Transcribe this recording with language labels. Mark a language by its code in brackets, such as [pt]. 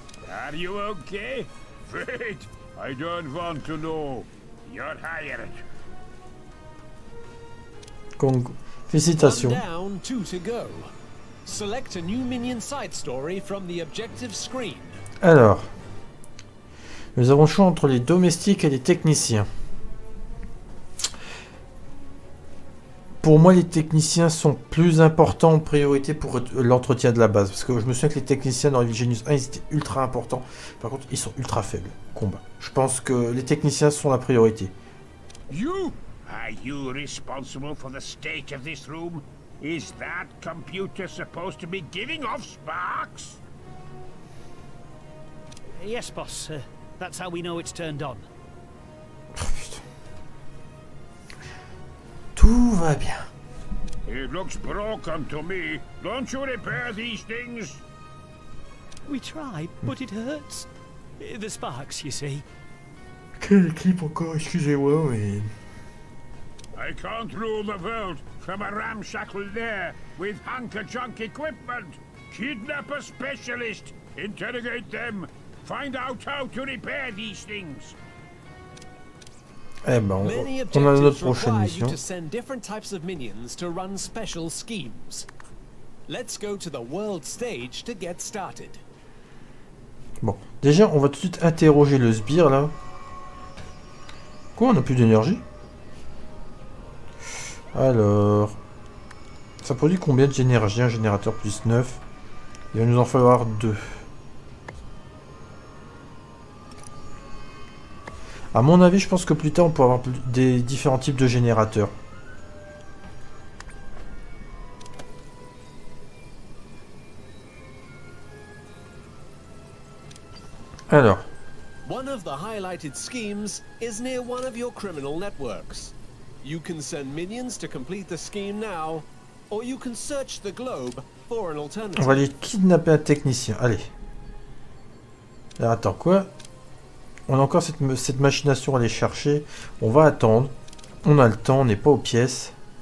[en] Are you okay? Wait. I don't want to know. You're hired. [fr] Félicitations. [en] Down, two to go. Select a new minion side story from the objective screen. [fr] Alors, nous avons le choix entre les domestiques et les techniciens. Pour moi, les techniciens sont plus importants en priorité pour l'entretien de la base. Parce que je me souviens que les techniciens dans Evil Genius 1, ils étaient ultra importants. Par contre, ils sont ultra faibles. Combat. Je pense que les techniciens sont la priorité. [en] You? Are you responsible for the state of this room? Is that computer supposed to be giving off sparks? Yes, boss. That's how we know it's turned on. [fr] Tout va bien. [en] It looks broken to me. Don't you repair these things? We try, but it hurts. The sparks, you see. [fr] Quelle équipe encore, excusez-moi, mais... [en] I can't rule the world from a ramshackle lair with hunk-a-junk equipment. Kidnap a specialist, interrogate them, find out how to repair these things. [fr] Eh ben, on a notre prochaine mission. [en] To send different types of minions to run special schemes. Let's go to the world stage to get started. [fr] Bon, déjà, on va tout de suite interroger le sbire là. Quoi, on a plus d'énergie? Alors, ça produit combien d'énergie? Un générateur plus 9. Il va nous en falloir 2. À mon avis, je pense que plus tard, on pourra avoir des différents types de générateurs. Alors. [en] One of the highlighted schemes is near one of your criminal networks. You can send minions to complete the scheme now, or you can search the globe for an alternative. [fr] On va aller kidnapper un technicien. Allez. Alors, attends, quoi? On a encore cette machination à aller chercher. On va attendre. On a le temps, on n'est pas aux pièces.